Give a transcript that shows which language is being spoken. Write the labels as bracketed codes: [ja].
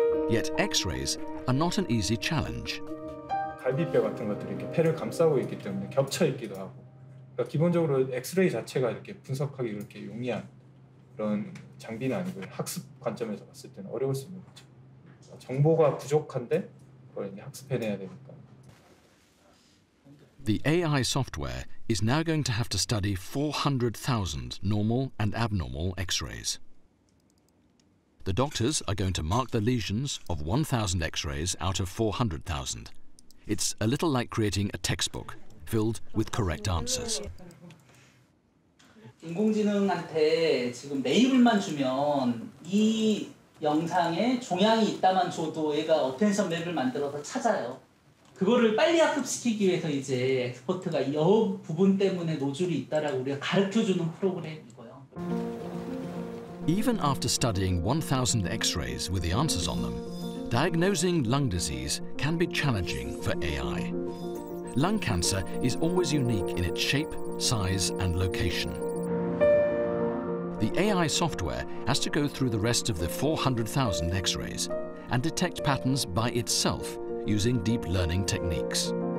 [en] Yet X-rays are not an easy challenge. [ko] 갈비뼈 같은 것들이 이렇게 폐를 감싸고 있기 때문에 겹쳐 있기도 하고, 그러니까 기본적으로 X-ray 자체가 이렇게 분석하기 그렇게 용이한 그런 장비는 아니고 학습 관점에서 봤을 때는 어려울 수 있는 거죠. 정보가 부족한데 그걸 이제 학습해내야 되니까. [en] The AI software is now going to have to study 400,000 normal and abnormal X-rays. The doctors are going to mark the lesions of 1,000 X-rays out of 400,000. It's a little like creating a textbook filled with correct answers. [ko] 인공지능한테 지금 레이블만 주면 이 영상에 종양이 있다만 줘도 얘가 어텐션 맵을 만들어서 찾아요. 그거를 빨리 학습시키기 위해서 이제 엑스퍼트가 이 부분 때문에 노출이 있다라고 우리가 가르쳐주는 프로그램이고요. [en] Even after studying 1,000 X-rays with the answers on them, diagnosing lung disease can be challenging for AI. Lung cancer is always unique in its shape, size, and location. The AI software has to go through the rest of the 400,000 X-rays and detect patterns by itself using deep learning techniques.